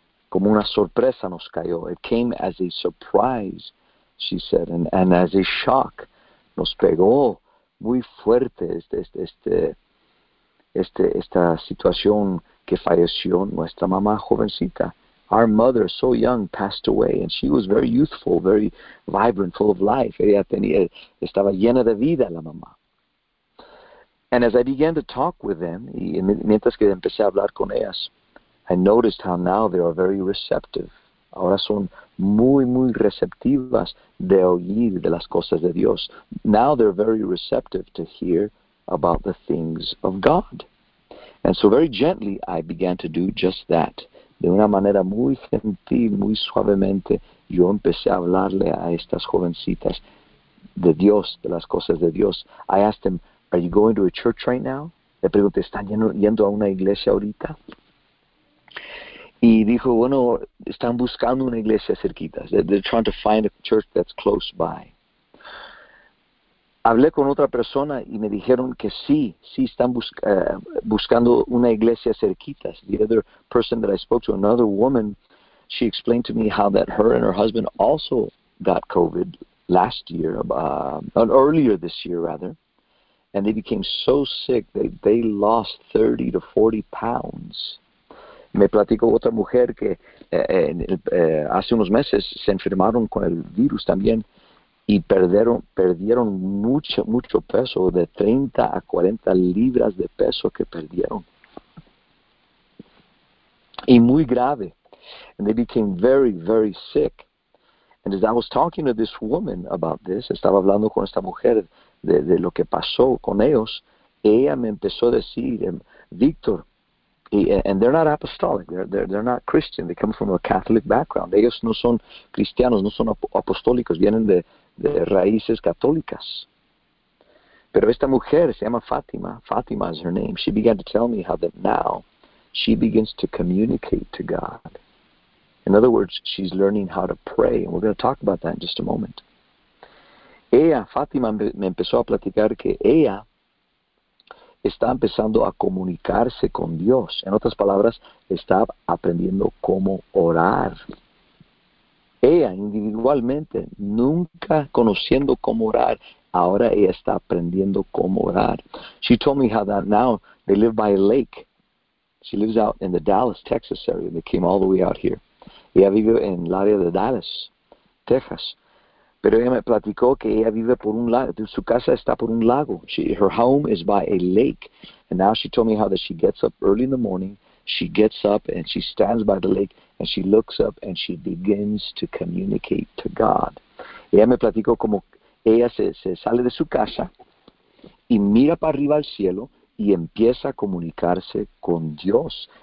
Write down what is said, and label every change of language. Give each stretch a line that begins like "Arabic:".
Spanish: Como una sorpresa nos cayó.
English: It came as a surprise, she said, and as a shock.
Spanish: Nos pegó muy fuerte esta situación que falleció nuestra mamá jovencita.
English: Our mother, so young, passed away, and she was very youthful, very vibrant, full of life.
Spanish: Ella tenía, estaba llena de vida, la mamá.
English: And as I began to talk with them,
Spanish: y mientras que empecé a hablar con ellas,
English: I noticed how now they are very receptive.
Spanish: Ahora son muy, muy receptivas de oír de las cosas de Dios.
English: Now they're very receptive to hear about the things of God. And so very gently I began to do just that.
Spanish: De una manera muy gentil, muy suavemente, yo empecé a hablarle a estas jovencitas de Dios, de las cosas de Dios.
English: I asked them, are you going to a church right now?
Spanish: Le pregunté, ¿están yendo a una iglesia ahorita? Y dijo, bueno, están buscando una iglesia cerquita.
English: They're trying to find a church that's close by.
Spanish: Hablé con otra persona y me dijeron que sí están buscando una iglesia cerquita.
English: The other person that I spoke to, another woman, she explained to me how that her and her husband also got COVID last year, earlier this year rather, and they became so sick that they lost 30 to 40 pounds.
Spanish: Me platicó otra mujer que hace unos meses se enfermaron con el virus también y perdieron mucho peso, de 30 a 40 libras de peso que perdieron. Y muy grave.
English: And they became very, very sick. And as I was talking to this woman about this,
Spanish: estaba hablando con esta mujer de lo que pasó con ellos, ella me empezó a decir,
English: Víctor, and they're not apostolic. They're not Christian. They come from a Catholic background.
Spanish: Ellos no son cristianos, no son apostólicos. Vienen de raíces católicas. Pero esta mujer se llama Fátima.
English: Fátima is her name. She began to tell me how that now she begins to communicate to God. In other words, she's learning how to pray. And we're going to talk about that in just a moment.
Spanish: Ella, Fátima, me empezó a platicar que ella está empezando a comunicarse con Dios. En otras palabras, está aprendiendo cómo orar. Ella, individualmente, nunca conociendo cómo orar, ahora ella está aprendiendo cómo orar.
English: She told me how that now they live by a lake. She lives out in the Dallas, Texas area. They came all the way out here.
Spanish: Ella vive en el área de Dallas, Texas. Pero ella me platicó que ella vive por un lago. Su casa está por un lago.
English: Her home is by a lake. And now she told me how that she gets up early in the morning. She gets up and she stands by the lake. And she looks up and she begins to communicate to God.
Spanish: Ella me platicó como ella se sale de su casa y mira para arriba al cielo y empieza a comunicarse con Dios.